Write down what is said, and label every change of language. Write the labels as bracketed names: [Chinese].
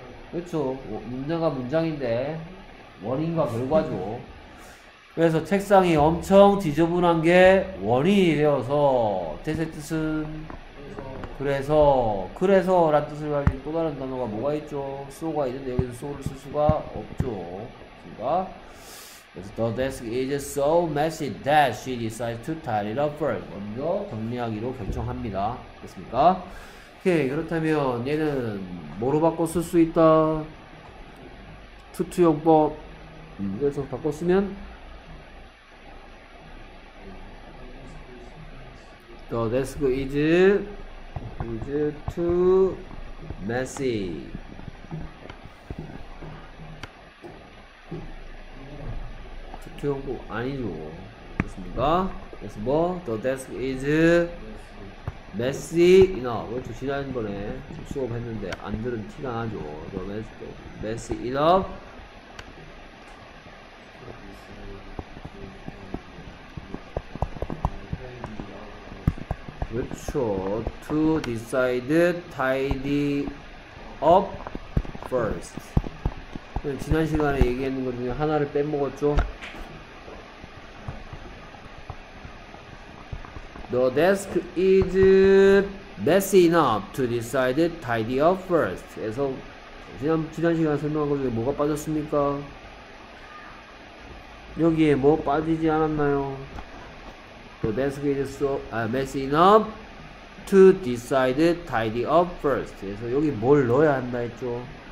[Korean] 그렇죠. 문장과 문장인데 원인과 결과죠. 그래서 책상이 엄청 지저분한 게 원인이 되어서 대세 뜻은 그래서 라는 뜻을 가진 또 다른 단어가 뭐가 있죠? 소가 있는데 여기서 소를 쓸 수가 없죠. 같습니다. [English] The desk is so messy that she decides to tidy it up first. [Korean] 먼저 정리하기로 결정합니다. 됐습니까? 오케이, 그렇다면 얘는 뭐로 바꿔 쓸 수 있다? 투투용법. 그래서 바꿔 쓰면 [English] The desk is too messy. [Korean] 투투용도 아니죠. 됐습니까? 그래서 뭐? [English] The desk is messy enough. [Korean] 그렇죠. 지난번에 수업했는데 안 들은 티가 나죠. [English] The desk is messy enough. [Korean] 그렇죠. [English] To decide tidy up first. [Korean] 지난 시간에 얘기했는 것 중에 하나를 빼먹었죠. [English] The desk is messy enough to decide tidy up first. [Korean] 그래서 지난 시간 설명한 것 중에 뭐가 빠졌습니까? 여기에 뭐 빠지지 않았나요? [English] The desk is so messy enough to decide tidy up first. [Korean] 그래서 여기 뭘 넣어야 한다 했죠?